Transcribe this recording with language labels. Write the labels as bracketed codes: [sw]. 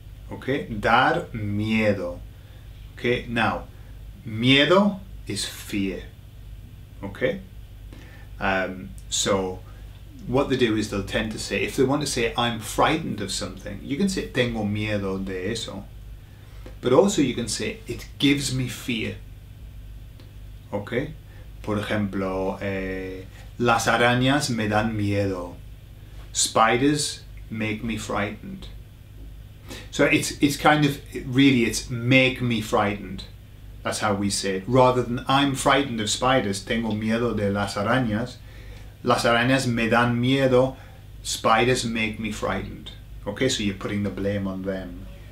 [en] Okay, dar miedo. Okay, now, miedo is fear. Okay, so what they do is they'll tend to say, if they want to say I'm frightened of something, you can say [es] tengo miedo de eso, [en] but also you can say it gives me fear. [es] Okay, por ejemplo, las arañas me dan miedo, [en] spiders make me frightened. So it's kind of, really it's make me frightened. That's how we say it. Rather than I'm frightened of spiders, [es] tengo miedo de las arañas me dan miedo, [en] spiders make me frightened. Okay, so you're putting the blame on them.